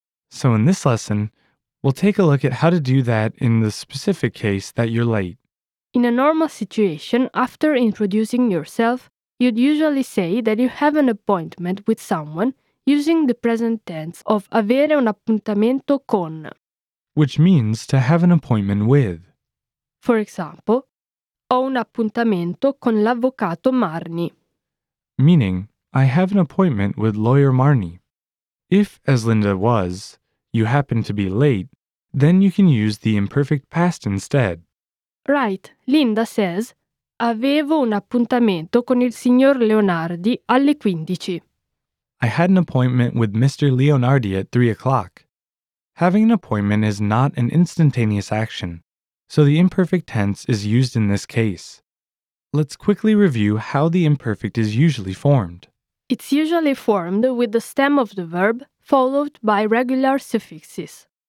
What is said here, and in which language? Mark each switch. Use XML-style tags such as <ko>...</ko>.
<en>So in this lesson, we'll take a look at how to do that in the specific case that you're late. In a normal situation, after introducing yourself, you'd usually say that you have an appointment with someone using the present tense of</en> <it>avere un appuntamento con.</it> <en>Which means to have an appointment with. For example,</en> <it>ho un appuntamento con l'avvocato Marni.</it> <en>Meaning, I have an appointment with lawyer Marni. If, as Linda was, you happen to be late, then you can use the imperfect past instead. Right, Linda says,</en> <it>avevo un appuntamento con il signor Leonardi alle 15.</it> <en>I had an appointment with Mr. Leonardi at 3 o'clock. Having an appointment is not an instantaneous action. So the imperfect tense is used in this case. Let's quickly review how the imperfect is usually formed. It's usually formed with the stem of the verb followed by regular suffixes.</en>